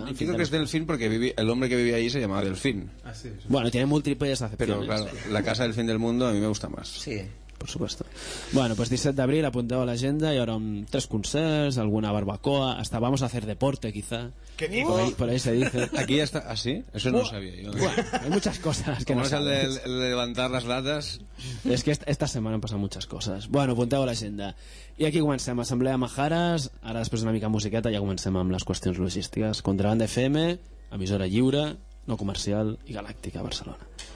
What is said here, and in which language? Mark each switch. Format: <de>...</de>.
<es>Al Fin</es> <ca>que és del Fin perquè</ca> <es>el hombre que vivia allí se llamava del Fin. Ah, sí. Bueno, tiene múltiples acepciones. Però, claro, la Casa del Fin del Mundo a mi me gusta más. Sí. Por supuesto.</es> <ca>Bueno, pues 17 d'abril, apunteu a l'agenda, hi haurà tres concerts, alguna barbacoa,</ca> <es>hasta vamos a hacer deporte, quizá. ¿Qué digo? Por ahí se dice. Aquí ya está. ¿Ah, sí? Eso no sabía yo. Bueno, hay muchas cosas que como no sabía. Como es el de levantar las latas. Es que esta semana han pasado muchas cosas.</es> <ca>Bueno, apunteu a l'agenda. I aquí comencem, Assemblea Majares, ara després d'una mica musiqueta ja comencem amb les qüestions logístiques. Contrabanda FM, emissora lliure, no comercial i galàctica a Barcelona.</ca>